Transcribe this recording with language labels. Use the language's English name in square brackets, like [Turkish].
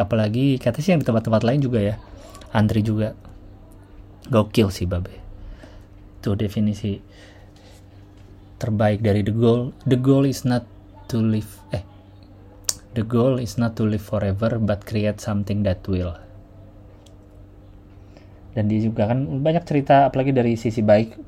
[Indonesian] Apalagi kata sih yang di tempat-tempat lain juga ya, antri juga. Gokil sih Babe. Itu definisi terbaik dari [English] the goal. The goal is not to live. The goal is not to live forever, but create something that will. [Indonesian] Dan dia juga kan banyak cerita, apalagi dari sisi baik.